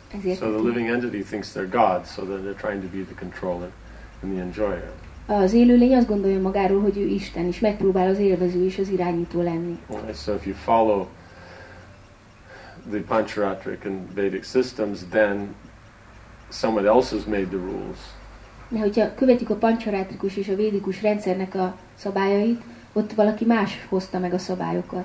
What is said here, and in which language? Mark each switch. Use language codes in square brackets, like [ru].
[hu] Ezért [en] so the living entity thinks they're God, so that they're trying to be the controller and the enjoyer. [hu] Az élőlény azt gondolja magáról, hogy ő Isten, és megpróbál az élvező és az irányító lenni. [en] Okay, so if you follow the Pancharatric and Vedic systems, then someone else has made the rules. [hu] De hogyha követik a pancsarátrikus és a védikus rendszernek a szabályait, ott valaki más hozta meg a szabályokat.